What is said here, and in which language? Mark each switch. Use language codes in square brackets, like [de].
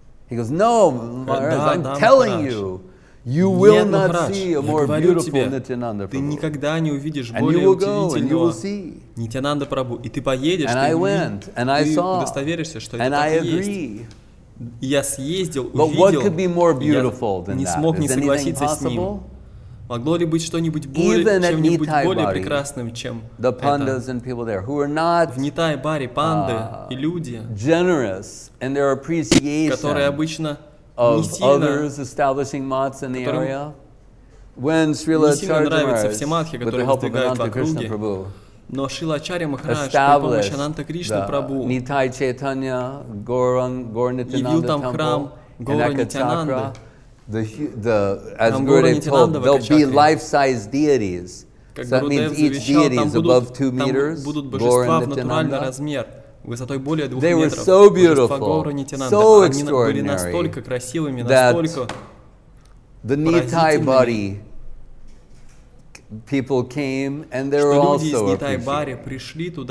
[en] He goes, no, Maharaj, I'm telling you, you will not see a more beautiful Nityananda Prabhu. And you will go, and you will see. [ru] Nityananda Prabhu, и ты поедешь, [en] and I went, and I saw, and I agree. [ru] Я съездил, увидел. [en] But what could be more beautiful than that? [ru] Не смог не согласиться с ним. Могло ли быть что-нибудь более прекрасным, чем [en] the pandas and people there who are not [ru] в Нитай-баре панды и люди, [en] generous in their appreciation, [ru] которые обычно [en] of others establishing mats in the area, when Srila Acharya Maharaj, with the help of Ananta Krishna Prabhu, [ru] но Шрила Ачарья Махарадж при помощи Ананта Кришна Прабу Нитай Чайтанья Горнитянанда Temple, храм Горнитянанды. [en] As Gurudev told, there'll be life-size deities. So that means each deity is above 2 meters, Gaura Nityananda. They were so beautiful, so extraordinary, that the Nitai body people came, and they were also appreciated.